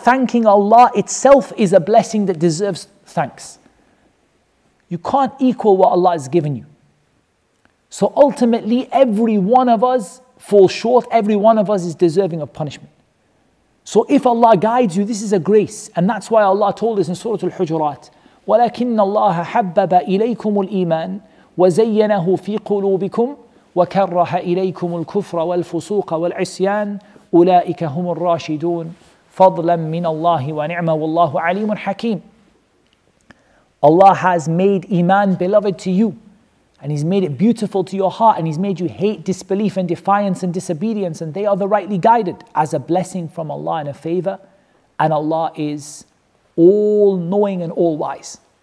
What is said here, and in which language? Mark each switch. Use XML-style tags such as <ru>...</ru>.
<en>Thanking Allah itself is a blessing that deserves thanks. You can't equal what Allah has given you. So ultimately, every one of us falls short. Every one of us is deserving of punishment. So if Allah guides you, this is a grace. And that's why Allah told us in Surah Al-Hujurat,</en> <ar>وَلَكِنَّ اللَّهَ حَبَّبَ إِلَيْكُمُ الْإِيمَانِ وَزَيَّنَهُ فِي قُلُوبِكُمْ وَكَرَّهَ إِلَيْكُمُ الْكُفْرَ وَالْفُسُوقَ وَالْعِسْيَانِ أُولَٰئِكَ هُمُ الرَّاشِدُونَ فَضْلًا مِّنَ اللَّهِ وَنِعْمَ وَاللَّهُ عَلِيمٌ حَكِيمٌ.</ar> <en>Allah has made iman beloved to you, and He's made it beautiful to your heart, and He's made you hate disbelief and defiance and disobedience, and they are the rightly guided as a blessing from Allah and a favor, and Allah is all-knowing and all-wise.</en>